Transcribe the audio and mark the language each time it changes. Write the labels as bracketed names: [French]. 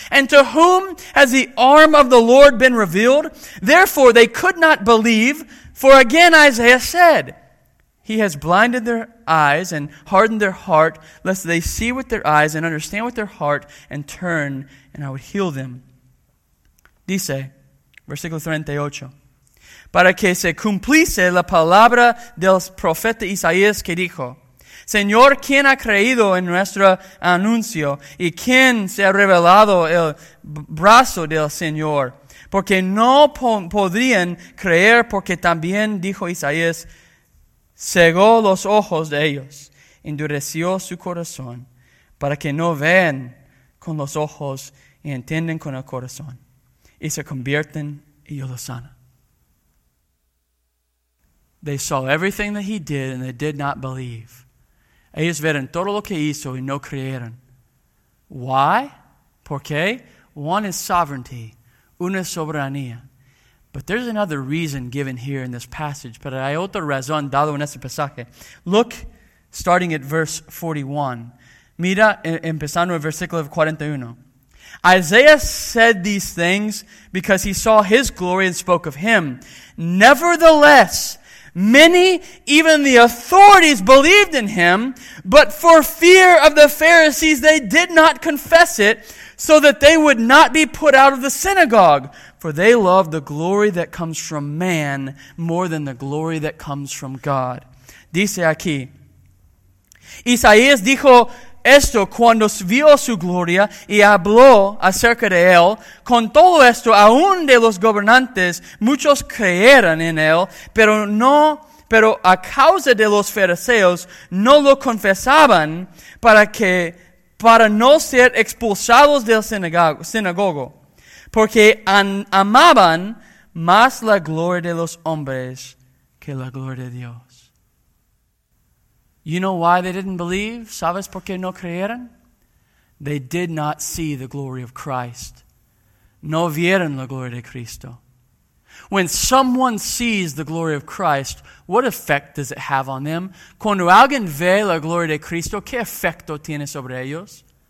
[English] And to whom has the arm of the Lord been revealed? Therefore, they could not believe. For again, Isaiah said, he has blinded their eyes and hardened their heart, lest they see with their eyes and understand with their heart and turn, and I would heal them. [Spanish] Dice, versículo 38. Para que se cumpliese la palabra del profeta Isaías que dijo, Señor, ¿quién ha creído en nuestro anuncio? ¿Y quién se ha revelado el brazo del Señor? Porque no podrían creer, porque también dijo Isaías, cegó los ojos de ellos, endureció su corazón, para que no vean con los ojos y entiendan con el corazón, y se convierten y yo los sano. [English] They saw everything that he did and they did not believe. [Spanish] Ellos vieron todo lo que hizo y no creyeron. [English] Why? [Spanish] ¿Por qué? [English] One is sovereignty. [Spanish] Una es soberanía. [English] But there's another reason given here in this passage. [Spanish] Pero hay otra razón dado en este pasaje. [English] Look, starting at verse 41. [Spanish] Mira, empezando en versículo 41. [English] Isaiah said these things because he saw his glory and spoke of him. Nevertheless, many, even the authorities, believed in him, but for fear of the Pharisees, they did not confess it, so that they would not be put out of the synagogue. For they loved the glory that comes from man more than the glory that comes from God. [Spanish] Dice aquí, Isaías dijo esto cuando vio su gloria y habló acerca de él. Con todo esto, aún de los gobernantes, muchos creyeron en él, pero a causa de los fariseos no lo confesaban para no ser expulsados del sinagogo, porque amaban más la gloria de los hombres que la gloria de Dios. [English] You know why they didn't believe? [Spanish] ¿Sabes por qué no creyeron? [English] They did not see the glory of Christ. [Spanish] No vieron la gloria de Cristo. [English] When someone sees the glory of Christ, what effect does it have on them? [Spanish] Cuando alguien ve la gloria de Cristo, ¿qué efecto tiene sobre ellos?